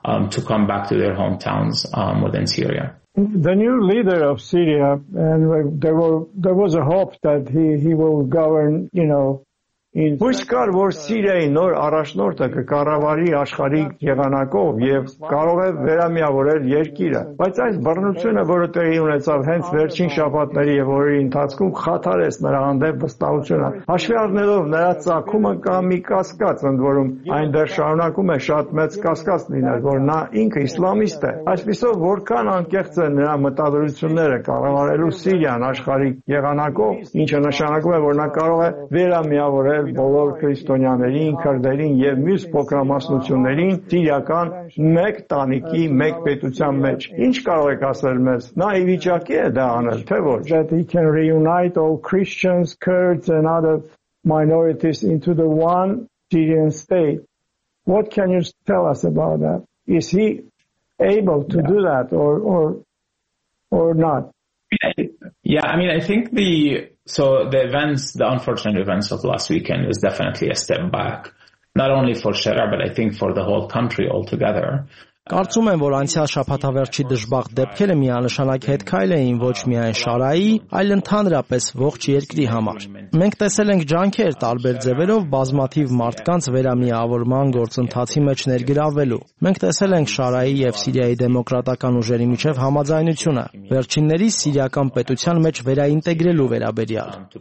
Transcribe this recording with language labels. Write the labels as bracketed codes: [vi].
[en] To come back to their hometowns within Syria. The new leader of Syria, and there was a hope that he will govern, you know, in [hy] Ոչ կար որ Սիրիայի նոր առաջնորդը կկառավարի աշխարհի եղանակով եւ կարող է վերամիավորել երկիրը, բայց այս բռնությունը, որը տեղի ունեցավ հենց վերջին շաբաթների եւ օրերի ընթացքում, խաթարեց նրա հանդեպ վստահությունը, հաշվի առնելով նրա ցակումը կամ մի կասկած, ընդ որում այն դեռ շարունակում է շատ մեծ կասկած լինել, որ նա ինքը իսլամիստ է։ Այսպիսով որքան անկեղծ են նրա մտադրությունները կառավարելու Սիրիան աշխարհի եղանակով, ինչը նշանակում է, որ նա կարող է վերամիավորել բոլոր քրիստոնյաներին, քրդերին եւ մյուս փոքրամասնություններին սիրական մեկ տանիքի, մեկ պետության մեջ։ Ինչ կարող եք ասել մեզ, նա ի վիճակի է դա անել, թե ոչ? [en] That he can reunite all Christians, Kurds and other minorities into the one Syrian state. What can you tell us about that? Is he able to do that or not? Yeah, I mean, I think the unfortunate events of last weekend is definitely a step back, not only for Sharjah, but I think for the whole country altogether. [hy] Կարծում եմ, որ անցյալ շաբաթավերջի դժբախտ դեպքերը միանշանակ հետքայլ էին ոչ միայն Շարայի, այլ ընդհանրապես ողջ երկրի համար։ Մենք տեսել ենք ջանքեր տարբեր ձևերով բազմաթիվ մարդկանց վերամիավորման գործընթացի մեջ ներգրավելու։ Մենք տեսել ենք Շարայի եւ Սիրիայի դեմոկրատական ուժերի միջև համաձայնությունը վերջիններիս սիրիական պետության մեջ վերաինտեգրելու վերաբերյալ։